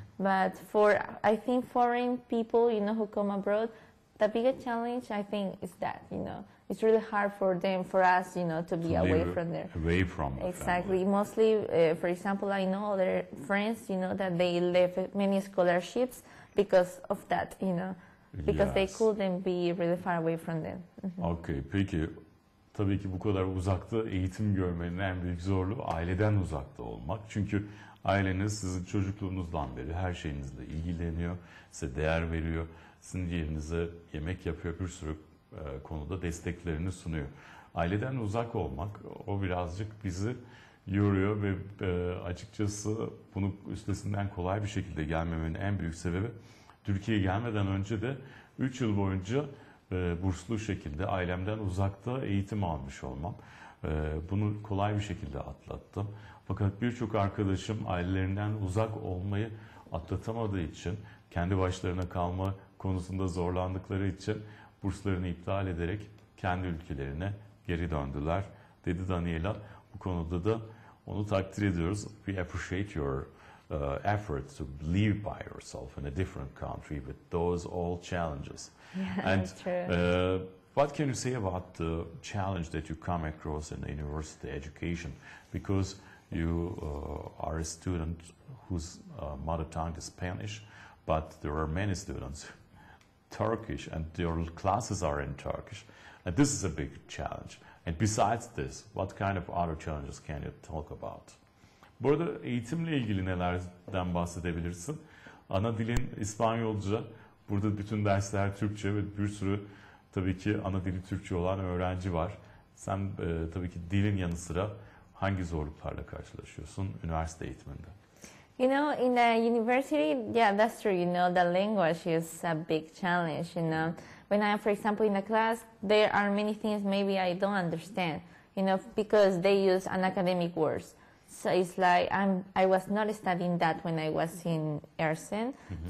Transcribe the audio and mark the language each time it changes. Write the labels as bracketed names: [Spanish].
[English] But for, I think, foreign people, you know, who come abroad, the biggest challenge, I think, is that, you know, it's really hard for them, for us, you know, to be away from there. Away from exactly. Mostly, for example, I know other friends, you know, that they left many scholarships because of that, you know, because they couldn't be really far away from them. [Turkish] Okay, peki. Tabii ki bu kadar uzakta eğitim görmenin en büyük zorluğu aileden uzakta olmak. Çünkü aileniz sizin çocukluğunuzdan beri her şeyinizle ilgileniyor, size değer veriyor, sizin yerinize yemek yapıyor, bir sürü konuda desteklerini sunuyor. Aileden uzak olmak o birazcık bizi yoruyor ve açıkçası bunu üstesinden kolay bir şekilde gelmemenin en büyük sebebi Türkiye'ye gelmeden önce de 3 yıl boyunca burslu şekilde ailemden uzakta eğitim almış olmam. Bunu kolay bir şekilde atlattım. Fakat birçok arkadaşım ailelerinden uzak olmayı atlatamadığı için, kendi başlarına kalma konusunda zorlandıkları için burslarını iptal ederek kendi ülkelerine geri döndüler, dedi Daniela. Bu konuda da onu takdir ediyoruz. [English] We appreciate your effort to live by yourself in a different country with those all challenges. Yeah, and true. What can you say about the challenge that you come across in the university education? Because you are a student whose mother tongue is Spanish, but there are many students Turkish, and their classes are in Turkish. And this is a big challenge. And besides this, what kind of other challenges can you talk about? [Turkish] Bu arada eğitimle ilgili nelerden bahsedebilirsin? Ana dilin İspanyolca, burada bütün dersler Türkçe ve bir sürü tabii ki ana dili Türkçe olan öğrenci var. Sen tabii ki dilin yanı sıra hangi zorluklarla karşılaşıyorsun üniversite eğitiminde? [English] You know, in the university, yeah, that's true. You know, the language is a big challenge. You know, when I, for example, in the class, there are many things maybe I don't understand. You know, because they use unacademic words. So it's like I was not studying that when I was in Ersin. Mm-hmm.